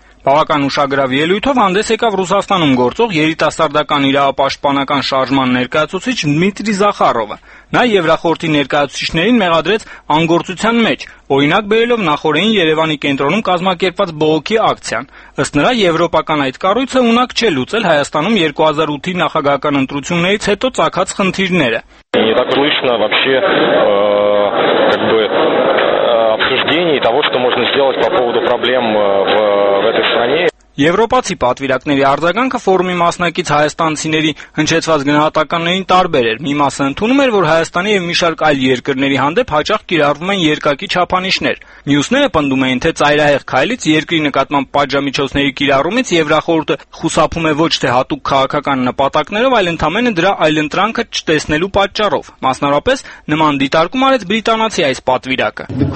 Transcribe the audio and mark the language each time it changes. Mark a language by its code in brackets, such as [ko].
[hy] Բավական ուշագրավ ելույթով հանդես եկավ Ռուսաստանում գործող երիտասարդական իրավապաշտպանական շարժման ներկայացուցիչ Դմիտրի Զախարովը։ Նա Եվրախորհրդի ներկայացուցիչներին մեղադրեց անգործության մեջ, օրինակ բերելով նախորդին Երևանի կենտրոնում կազմակերպված բողոքի ակցիան։ Ըստ նրա, եվրոպական այդ կառույցը ունակ չէ լուծել Հայաստանում 2008-ի նախագահական ընտրություններից հետո ծագած խնդիրները։ [ru] Того, что можно сделать по поводу проблем в этой стране. [hy] Եվրոպացի պատվիրակների արձագանքը ֆորումի մասնակից հայաստանցիների հնչեցված գնահատականներին տարբեր էր։ Մի մասը ընդունում էր, որ Հայաստանի եւ մի շարք այլ երկրների հանդեպ հաճախ կիրառվում են երկակի չափանիշներ։ Մյուսները պնդում էին, թե ծայրահեղ քայլից երկրի նկատմամբ պատժամիջոցների կիրառումից Եվրախորհուրդը խուսափում է ոչ թե հատուկ քաղաքական նպատակներով, այլ ընդամենը դրա այլընտրանքը չտեսնելու պատճառով։ Մասնարարապես նման դիտարկում արեց Բրիտանացի այս պատվիրակը։